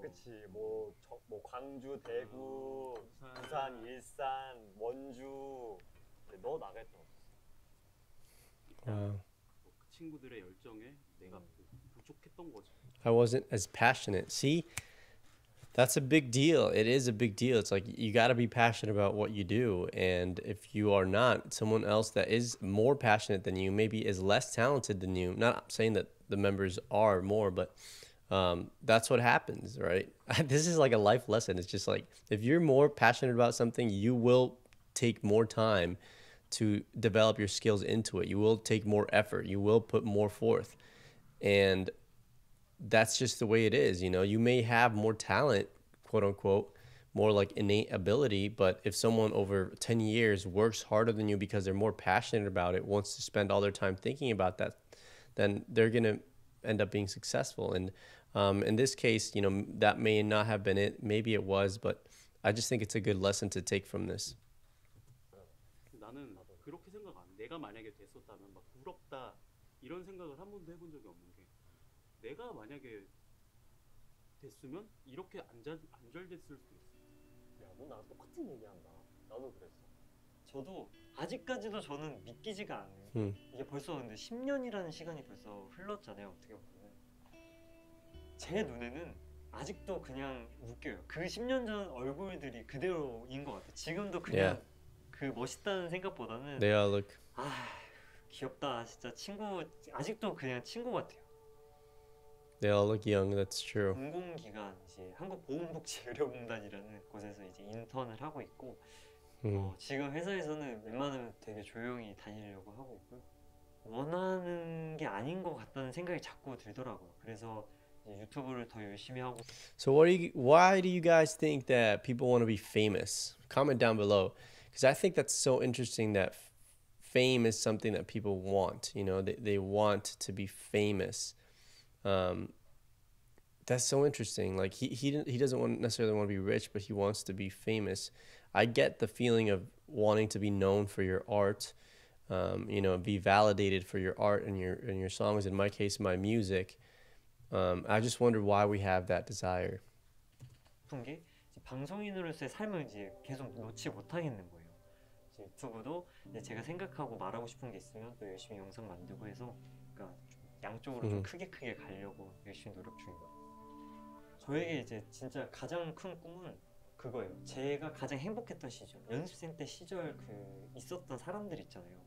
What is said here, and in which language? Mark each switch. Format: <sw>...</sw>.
<ko>그치 뭐, 저, 뭐 광주, 대구, 부산, 부산, 일산, 원주 너 나갈 데 없었어 그 친구들의 열정에 내가 부족했던 거지</ko> <en>I wasn't as passionate, see? That's a big deal. It is a big deal. It's like you got to be passionate about what you do. And if you are not, someone else that is more passionate than you, maybe is less talented than you. Not saying that the members are more, but that's what happens, right? This is like a life lesson. It's just like if you're more passionate about something, you will take more time to develop your skills into it. You will take more effort. You will put more forth. And that's just the way it is, you know. You may have more talent, quote unquote, more like innate ability, but if someone over 10 years works harder than you because they're more passionate about it, wants to spend all their time thinking about that, then they're gonna end up being successful. And in this case, you know, that may not have been it, maybe it was, but I just think it's a good lesson to take from this.</en> <ko>나는 그렇게 생각 안 내가 만약에 됐었다면 막 부럽다 이런 생각을 한 번도 해본 적이 없는 게 내가 만약에 됐으면 이렇게 안절됐을 수도 있어. 야, 너 나랑 똑같은 얘기한다. 나도 그랬어. 저도 아직까지도 저는 믿기지가 않아요. 이게 벌써 근데 10년이라는 시간이 벌써 흘렀잖아요. 어떻게 보면 제 눈에는 아직도 그냥 웃겨요. 그 10년 전 얼굴들이 그대로인 것 같아. 지금도 그냥 yeah. 그 멋있다는 생각보다는</ko> <en>They all look.</en> <ko>아, 귀엽다. 진짜 친구 아직도 그냥 친구 같아요.</ko> <en>They all look young, that's true.</en> <ko>공공기관, 이제 한국보건복지의료공단이라는 곳에서 이제 인턴을 하고 있고 지금 회사에서는 웬만하면 되게 조용히 다니려고 하고 있고요. 원하는 게 아닌 것 같다는 생각이 자꾸 들더라고요. 그래서 이제 유튜브를 더 열심히 하고</ko> <en>So what do you, why do you guys think that people want to be famous? Comment down below. Because I think that's so interesting that fame is something that people want. You know, they want to be famous. That's so interesting. Like he doesn't want necessarily want to be rich, but he wants to be famous. I get the feeling of wanting to be known for your art, you know, be validated for your art and your songs. In my case, my music. I just wonder why we have that desire.</en> <ko>그게 방송인으로서의 삶을 이제 계속 놓지 못하겠는 거예요. 이제 유튜브도 이제 제가 생각하고 말하고 싶은 게 있으면 또 열심히 영상 만들고 해서 그러니까. 양쪽으로 좀 크게 크게 가려고 열심히 노력 중이에요. 저에게 이제 진짜 가장 큰 꿈은 그거예요. 제가 가장 행복했던 시절, 연습생 때 시절 그 있었던 사람들 있잖아요.</ko>